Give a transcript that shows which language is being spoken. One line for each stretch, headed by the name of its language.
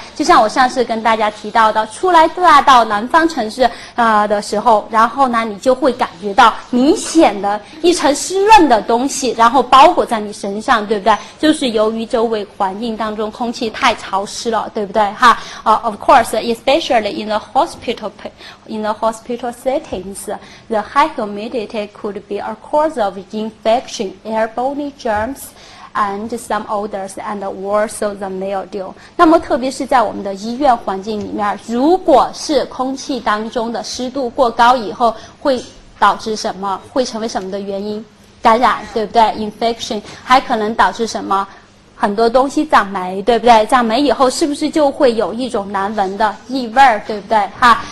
Chinese: 就像我上次跟大家提到的，出来大到南方城市的时候，然后呢你就会感觉到明显的一层湿润的东西然后包裹在你身上，对不对？就是由于周围环境当中空气太潮湿了，对不对哈？
English: Of course especially in the hospital settings, the high humidity could be a cause of infection, airborne germs, and some odors, and worse the mildew.
Chinese: 那么特别是在我们的医院环境里面，如果是空气当中的湿度过高以后，会导致什么？会成为什么的原因？感染，对不对？Infection， 还可能导致什么？很多东西长霉，对不对？长霉以后是不是就会有一种难闻的异味，对不对哈？